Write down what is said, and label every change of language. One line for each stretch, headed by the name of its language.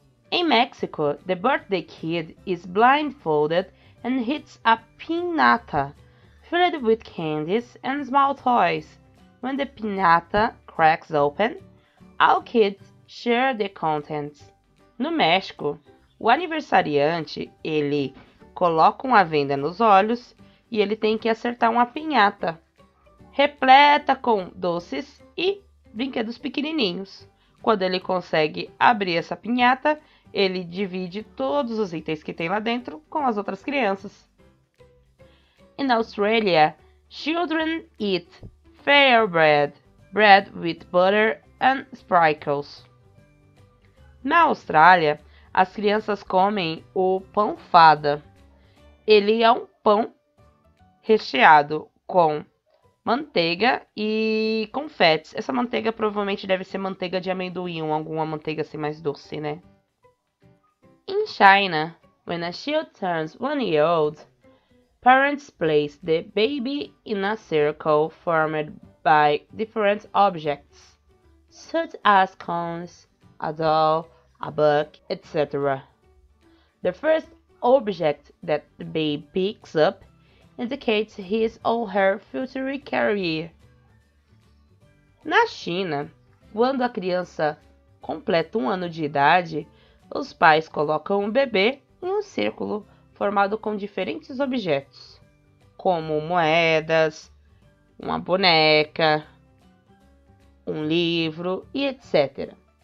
Portuguese: Em México,
English: the birthday kid is blindfolded and hits a piñata filled with candies and small toys. When the piñata cracks open, all kids share the contents.
Portuguese: No México, o aniversariante, ele coloca uma venda nos olhos e ele tem que acertar uma piñata repleta com doces e brinquedos pequenininhos. Quando ele consegue abrir essa pinhata, ele divide todos os itens que tem lá dentro com as outras crianças.
English: In Australia, children eat fair bread, bread with butter and sprinkles.
Portuguese: Na Austrália, as crianças comem o pão fada. Ele é um pão recheado com manteiga e confetes. Essa manteiga provavelmente deve ser manteiga de amendoim ou alguma manteiga assim mais doce, né?
English: In China, when a child turns 1 year old, parents place the baby in a circle formed by different objects, such as cones, a doll, a book, etc. The first object that the baby picks up indicates his or her future career.
Portuguese: Na China, quando a criança completa 1 ano de idade, os pais colocam o bebê em um círculo formado com diferentes objetos, como moedas, uma boneca, um livro e etc.